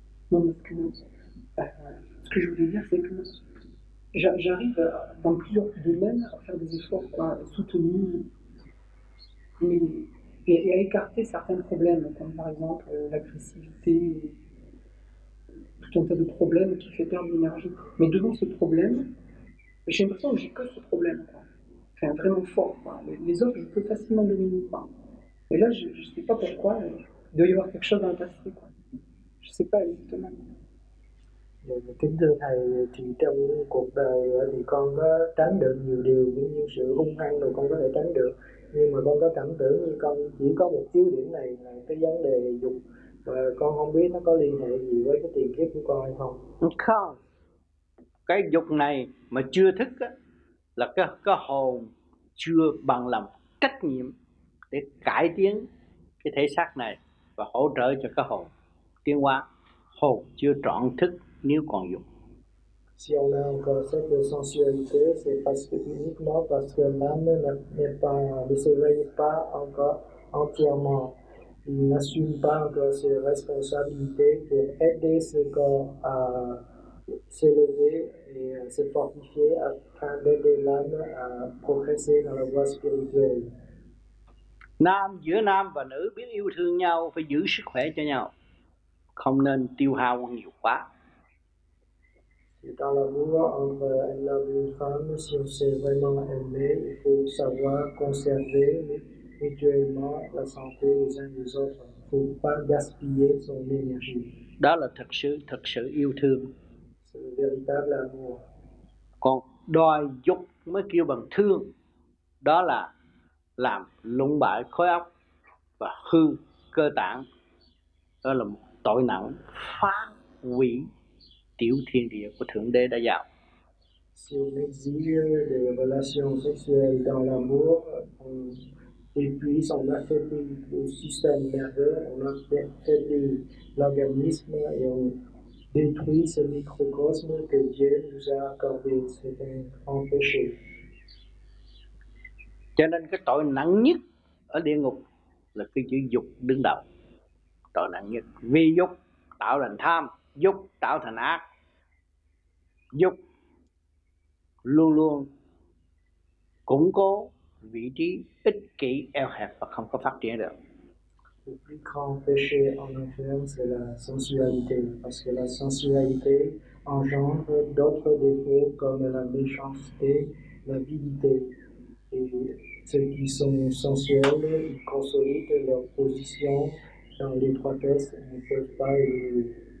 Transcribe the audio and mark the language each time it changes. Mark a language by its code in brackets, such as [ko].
[fr] Non, parce que, ce que je voulais dire, c'est que j'arrive dans plusieurs domaines à faire des efforts quoi, soutenus mais, et à écarter certains problèmes, comme par exemple l'agressivité, tout un tas de problèmes qui fait perdre l'énergie. Mais devant ce problème, j'ai l'impression que j'ai que ce problème, quoi. Enfin, vraiment fort. Quoi. Les autres, je peux facilement dominer. Quoi. Et là, je ne sais pas pourquoi, il doit y avoir quelque chose dans le passé. Quoi. Je ne sais pas exactement. [vi] Kính thưa thầy, thì trong cuộc đời thì con có tránh được nhiều điều cũng như sự hung hăng rồi con có thể tránh được, nhưng mà con có cảm tưởng như con chỉ có một yếu điểm này là cái vấn đề dục, và con không biết nó có liên hệ gì với cái tiền kiếp của con hay không. Không, cái dục này mà chưa thức á, là cái hồn chưa bằng lòng trách nhiệm để cải tiến cái thể xác này và hỗ trợ cho cái hồn tiến hóa. Hồn chưa trọn thức nếu còn dùng. [fr] Si on a encore cette sensualité, c'est parce que uniquement parce que l'âme n'est pas, ne s'éveille pas encore entièrement. Il n'assume pas encore ses responsabilités pour aider ce corps à s'élever et à se fortifier afin d'aider l'âme à progresser dans la voie spirituelle. [vi] Nam, giữa nam và nữ biết yêu thương nhau, phải giữ sức khỏe cho nhau, không nên tiêu hao nhiều quá. [fr] Dans l'amour entre un homme et une femme, si on s'est vraiment aimé, il faut savoir conserver mutuellement la santé des uns des autres. Il ne faut pas gaspiller son énergie. [vi] Đó là thật sự yêu thương. [fr] C'est le véritable amour. [vi] Còn đòi dục mới kêu bằng thương, đó là làm lụng bại khối óc và hư cơ tạng. Đó là một tội nặng phá hủy tiểu thiên địa của Thượng Đế đã dạo. [fr] Si on exige des relations sexuelles dans l'amour, on épuise, on affaiblit le système nerveux, on affaiblit l'organisme et on détruit ce microcosme que Dieu nous a accordé. C'est un grand péché. [vi] Cho nên cái tội nặng nhất ở địa ngục là cái chữ dục đứng đầu. Tội nặng nhất vì dục tạo thành tham, dục tạo thành ác. Dục luôn luôn củng cố vị trí ích kỷ eo hẹp và không có phát triển được. [fr] Le plus grand péché en enfer, c'est la sensualité, parce que la sensualité engendre d'autres défauts comme la méchanceté, l'avidité. Et ceux qui sont sensuels, ils consolident leur position dans l'étroitesse et ne peuvent pas évoluer.